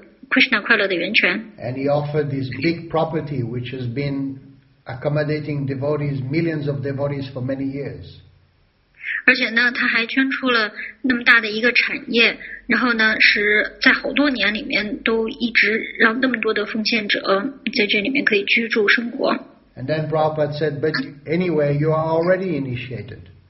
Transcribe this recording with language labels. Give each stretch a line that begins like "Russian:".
English: And he offered this big property which has been accommodating devotees, millions of devotees for many years.
Chinese: 而且呢，他还捐出了那么大的一个产业，然后呢，使在好多年里面都一直让那么多的奉献者在这里面可以居住生活。And
English: then Prabhupada said, but anyway, you are already initiated.